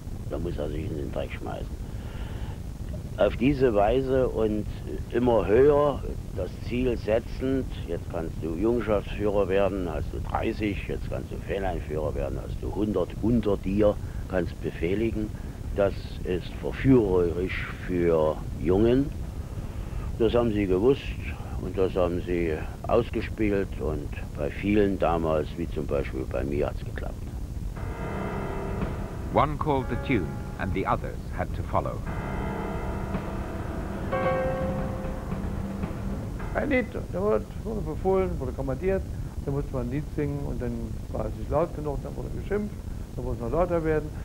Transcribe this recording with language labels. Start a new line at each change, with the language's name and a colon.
German: Da muss er sich in den Dreck schmeißen. Auf diese Weise und immer höher das Ziel setzend, jetzt kannst du Jungschaftsführer werden, hast du 30, jetzt kannst du Fähnleinführer werden, hast du 100 unter dir, kannst befehligen. Das ist verführerisch für Jungen. Das haben sie gewusst und das haben sie ausgespielt und bei vielen damals, wie zum Beispiel bei mir, hat es geklappt.
English: One called the tune and the others had to follow.
German: Ein Lied, da wurde befohlen, wurde kommandiert, da musste man ein Lied singen und dann war es nicht laut genug, dann wurde geschimpft, dann muss man lauter werden.